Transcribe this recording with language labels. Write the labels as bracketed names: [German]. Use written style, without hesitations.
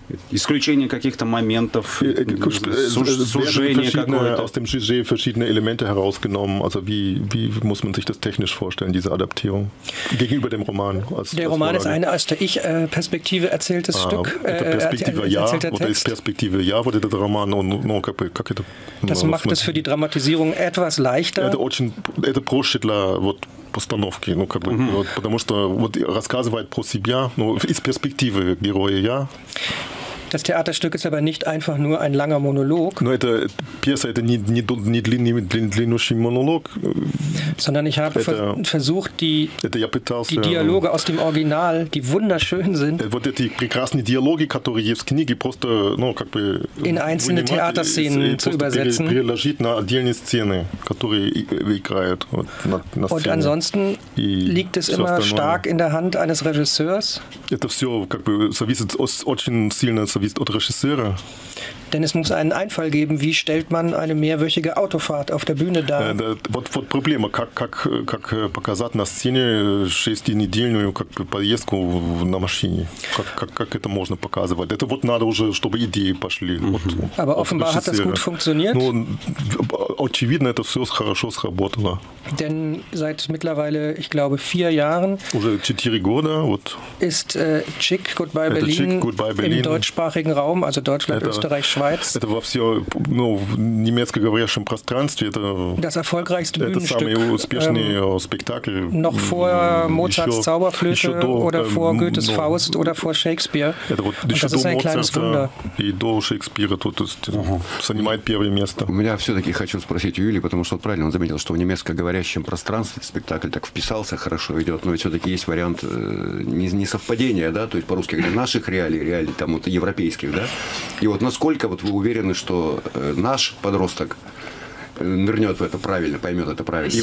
[Russian] исключение каких-то моментов, сужение какое-то. [German] Aus dem Sujet verschiedene Elemente herausgenommen. Also wie muss man sich das technisch vorstellen, diese Adaptierung? Gegenüber dem Roman. Der Roman ist eine aus der Ich-Perspektive erzähltes Stück. Perspektive ja, wurde der Roman. Das macht es für die Dramatisierung etwas leichter. [Russian] Это проще для вот постановки, ну как бы, вот, потому что вот рассказывает про себя, ну из перспективы героя, я. [German] Das Theaterstück ist aber nicht einfach nur ein langer Monolog. [Russian] Но эта пьеса это не длиннющий монолог. [German] Sondern ich habe versucht die Dialoge aus dem Original, die wunderschön sind. [Russian] Вот эти прекрасные диалоги, которые есть в книге, просто, ну, как бы [German] in einzelne Theaterszenen zu übersetzen. [Russian] Переложить на отдельные сцены, которые играют вот, на сцене. [German] Und ansonsten liegt es immer stark in der Hand eines Regisseurs. [Russian] Это все как бы зависит очень сильно зависит от режиссера. [German] Denn es muss einen Einfall geben, wie stellt man eine mehrwöchige Autofahrt auf der Bühne dar? [Russian] Вот проблема, как показать на сцене шестинедельную как бы поездку на машине. Как это можно показывать? Это вот надо уже, чтобы идеи пошли. Mm-hmm. Вот, [German] aber offenbar hat das gut funktioniert. [Russian] Ну, очевидно, это все хорошо сработало. [German] Denn seit mittlerweile, ich glaube, 4 Jahren [Russian] уже 4 года, вот, [German] ist Chick Goodbye Berlin, im deutschsprachigen Raum, also Deutschland, Österreich, Schweiz. [Russian] Это во все, ну, в немецкоговорящем пространстве, это [German] das erfolgreichste [Russian] Bühnenstück, самый успешный спектакль. [German] Noch vor Mozarts Zauberflöte oder vor Goethes Faust oder vor Shakespeare. [Russian] Это вот еще до Моцарта и до Шекспира, то есть занимает первое место. У меня все-таки хочу спросить у Юли, потому что правильно он заметил, что в немецкоговорящем пространстве спектакль так вписался, хорошо идет, но ведь все-таки есть вариант несовпадения, да, то есть по-русски говоря, наших реалий, реалий там вот европейских, да, и вот насколько вот вы уверены, что наш подросток нырнет в это правильно, поймет это правильно.